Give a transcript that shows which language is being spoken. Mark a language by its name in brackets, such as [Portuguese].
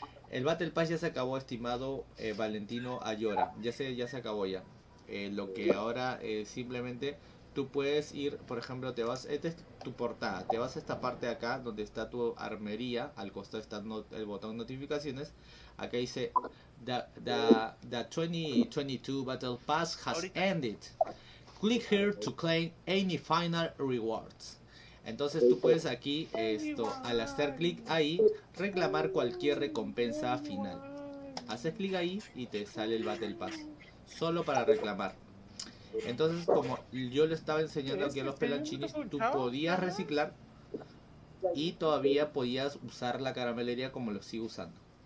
[Spanish] El Battle Pass ya se acabó, estimado Valentino Ayora. Ya se acabó ya. Lo que ahora simplemente tú puedes ir, por ejemplo, te vas, esta es tu portada, te vas a esta parte de acá donde está tu armería, al costado está el botón notificaciones. [English] Acá dice the 2022 Battle Pass has ended. Click here to claim any final rewards. [Spanish] Entonces tú puedes aquí al hacer clic ahí reclamar cualquier recompensa final. Haces clic ahí y te sale el Battle Pass. Solo para reclamar. Entonces, como yo le estaba enseñando aquí a los pelanchinis, tú podías reciclar y todavía podías usar la caramelería como lo sigo usando.